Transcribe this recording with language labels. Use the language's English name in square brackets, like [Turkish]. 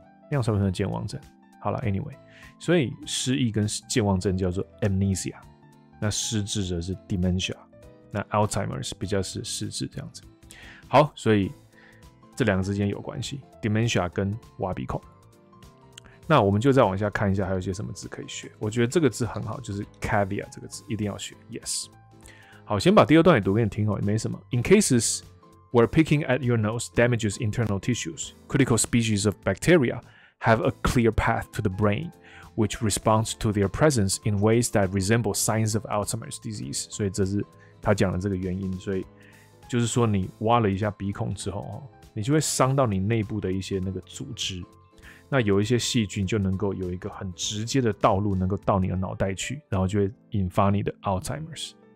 [Chinese] 那样算不算健忘症？好了 ，anyway， 所以失忆跟健忘症叫做 amnesia， 那失智者是 dementia， 那 Alzheimer's 比较是失智这样子。好，所以这两个之间有关系 ，dementia 跟挖鼻孔。那我们就再往下看一下，还有些什么字可以学？我觉得这个字很好，就是 caviar 这个字一定要学。 Yes， 好，先把第二段也读给你听哦，也没什么。 [English] In cases where picking at your nose damages internal tissues, critical species of bacteria have a clear path to the brain, which responds to their presence in ways that resemble signs of Alzheimer's disease. [Chinese] 所以这是他讲的这个原因。所以就是说，你挖了一下鼻孔之后，你就会伤到你内部的一些那个组织，那有一些细菌就能够有一个很直接的道路，能够到你的脑袋去，然后就会引发你的 Alzheimer's。